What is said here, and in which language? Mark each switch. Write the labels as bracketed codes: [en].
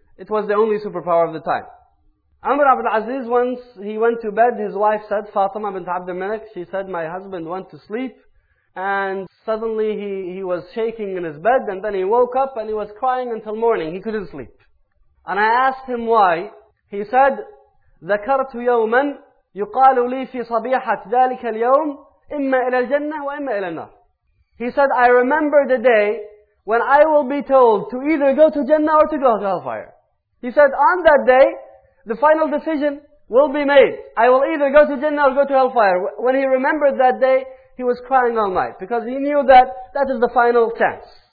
[en] It was the only superpower of the time. Umar ibn Aziz, once he went to bed, his wife said, Fatima bint Abdul Malik, she said, my husband went to sleep And suddenly he was shaking in his bed, and then he woke up and he was crying until morning. He couldn't sleep. And I asked him why. [ar] He said, ذَكَرْتُ يَوْمًا يُقَالُ لِي فِي صَبِيحَةِ ذَلِكَ الْيَوْمِ إِمَّا إِلَى الْجَنَّةِ وَإِمَّا إِلَى النَّارِ. [en] He said, I remember the day when I will be told to either go to Jannah or to go to hellfire. He said, on that day, the final decision will be made. I will either go to Jannah or go to hellfire. When he remembered that day, he was crying all night because he knew that that is the final chance.